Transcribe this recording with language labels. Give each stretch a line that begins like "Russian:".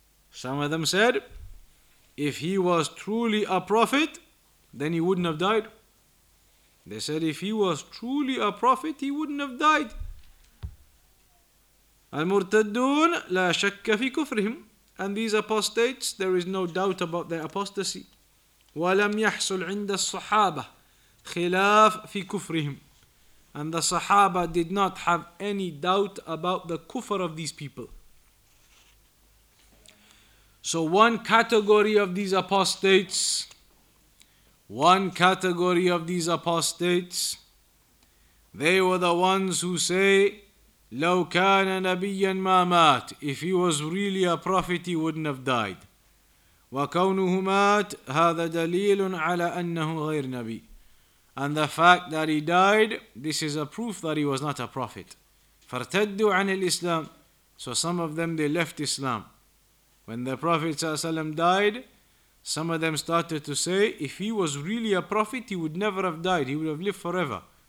English: Some of them said, if he was truly a prophet, then he wouldn't have died. They said, if he was truly a prophet, he wouldn't have died.
Arabic: المرتدون لا شك في كفرهم.
English: And these apostates, there is no doubt about their apostasy.
Arabic: ولم يحصل عند الصحابة خلاف في كفرهم.
English: And the Sahaba did not have any doubt about the kufr of these people. So one category of these apostates, they were the ones who say,
Arabic: لو كان نبيا ما مات,
English: if he was really a prophet, he wouldn't have died.
Arabic: وكونه مات, هذا دليل على أنه غير نبي.
English: And the fact that he died, this is a proof that he was not a prophet.
Arabic: فَارْتَدُّوا عَنِ الْإِسْلَامِ.
English: So some of them, they left Islam. When the Prophet ﷺ died, some of them started to say, if he was really a prophet, he would never have died. He would have lived forever.